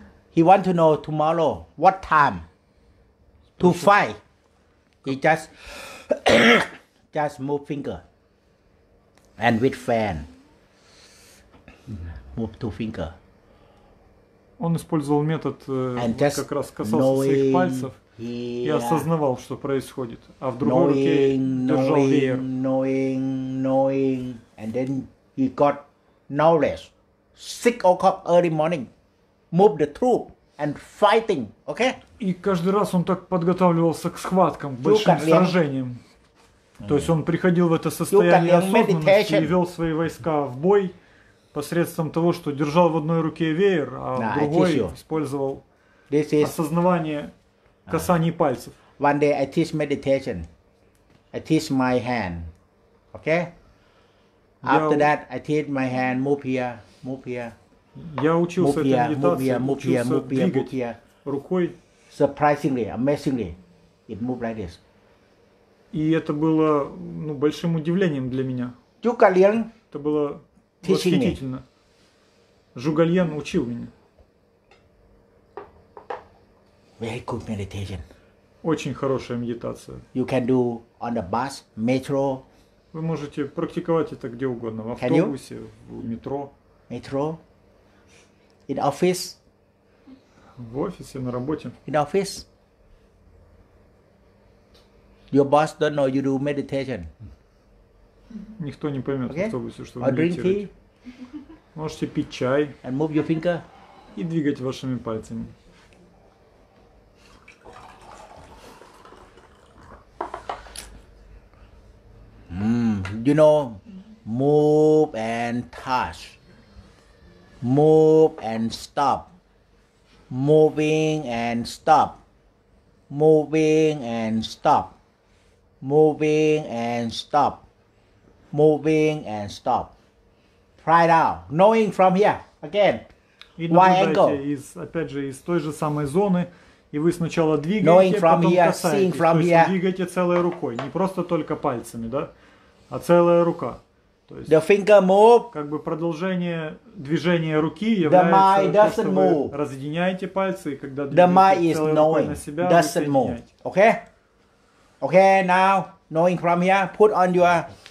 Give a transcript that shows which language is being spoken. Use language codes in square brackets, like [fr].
[en] He want to know tomorrow what time to fight. He just move finger and with fan. Move two finger. [ru] Он использовал метод, как раз касался своих пальцев и осознавал, что происходит. А в другой руке держал веер. [en] Knowing, and then he got knowledge. 6 o'clock early morning, move the troop and fighting, okay? [ru] И каждый раз он так подготавливался к схваткам, к большим сражениям. То есть он приходил в это состояние осознанности и вел свои войска в бой. Посредством того, что держал в одной руке веер, а в другой использовал осознавание касаний пальцев. [en] One day I teach meditation. I teach my hand. Okay? After that, I teach my hand, move here. [ru] Я учился этой медитации, учился двигать рукой. [en] Surprisingly, amazingly, it moved like this. [ru] И это было, ну, большим удивлением для меня. Чука Лен. Это было... Восхитительно. Жугальян учил меня. [en] Very good meditation. [ru] Очень хорошая медитация. [en] You can do on the bus, metro. [ru] Вы можете практиковать это где угодно, в автобусе, в метро. [en] Metro. In office. [ru] В офисе, на работе. [en] In office. Your boss don't know you do meditation. [ru] Никто не поймет, okay? В автобусе, что вы медитируете. Можете пить чай. [en] And move your finger. [ru] И двигать вашими пальцами. [en] You know, move and touch. Move and stop. Moving and stop. Moving and stop. Moving and stop. Moving and stop. Right now, knowing from here, again, why angle? [ru] Из, опять же, из той же самой зоны, и вы сначала двигаете, [en] knowing from [ru] потом [en] here, [ru] касаетесь. [en] Seeing from here. [ru] То есть двигаете целой рукой, не просто только пальцами, да, а целая рука. То есть, [en] the finger move. [ru] Как бы продолжение движения руки является то, что вы [en] move. [ru] Разъединяете пальцы, и когда двигаете целой рукой на себя, вы соединяете. [en] Move. Okay? Okay, now, knowing from here, put on your...